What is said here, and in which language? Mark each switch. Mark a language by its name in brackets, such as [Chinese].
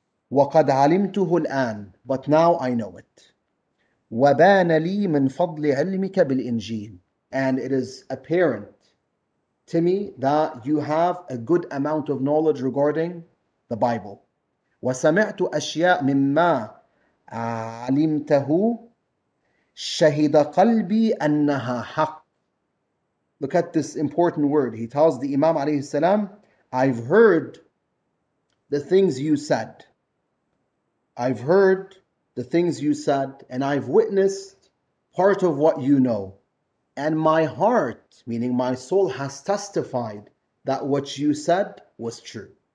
[Arabic] وَقَدْ عَلِمْتُهُ الْآنَ [English] But now I know it. [Arabic] وَبَانَ لِي مِنْ فَضْلِ عِلْمِكَ بِالْإِنْجِيلِ [English] And it is apparent to me that you have a good amount of knowledge regarding the Bible. [Arabic] وَسَمِعْتُ أَشْيَاءَ مِمَّا عَلِمْتَهُ شَهِدَ قَلْبِي أَنَّهَا حَقٌّ [English] Look at this important word. He tells the Imam عليه السلام, I've heard the things you said. I've heard the things you said, and I've witnessed part of what you know. And my heart, meaning my soul, has testified that what you said was true.